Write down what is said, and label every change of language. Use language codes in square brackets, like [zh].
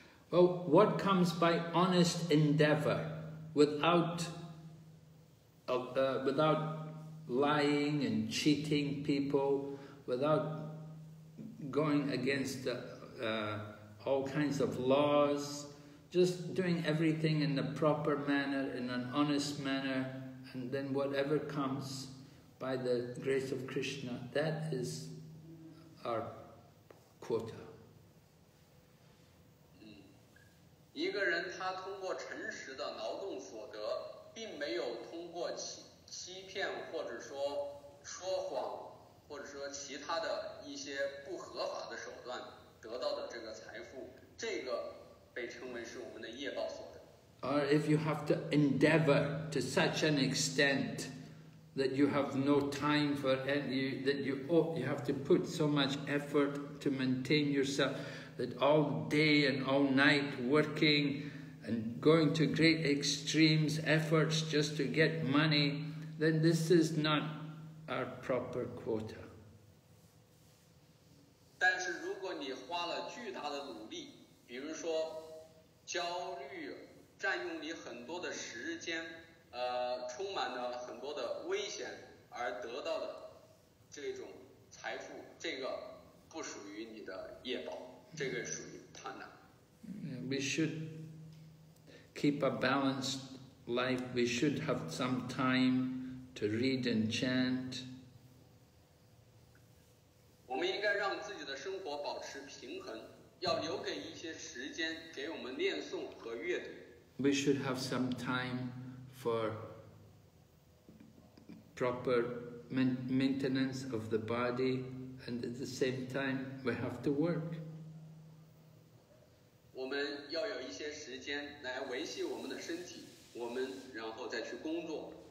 [en] Well, what comes by honest endeavor without, without lying and cheating people, without going against all kinds of laws, just doing everything in the proper manner, in an honest manner, and then whatever comes by the grace of Krishna, that is our quota. [zh] 一个人他通过诚实的劳动所得，并没有通过欺骗或者说说谎或者说其他的一些不合法的手段得到的这个财富，这个被称为是我们的业报所得。 [en] Or if you have to endeavor to such an extent that you have no time for any, that you have to put so much effort to maintain yourself, that all day and all night working and going to great extremes, efforts just to get money, then this is not our proper quota. [zh] 但是如果你花了巨大的努力，比如说焦虑，占用你很多的时间，充满了很多的危险而得到的这种财富，这个不属于你的业报，这个属于贪婪。 [en] We should keep a balanced life. We should have some time to read and chant. [zh] 我们应该让自己的生活保持平衡，要留给一些时间给我们念诵和阅读。 [en] We should have some time. For proper maintenance of the body, and at the same time, we have to work. We need to have some time to maintain our body, and then go to work.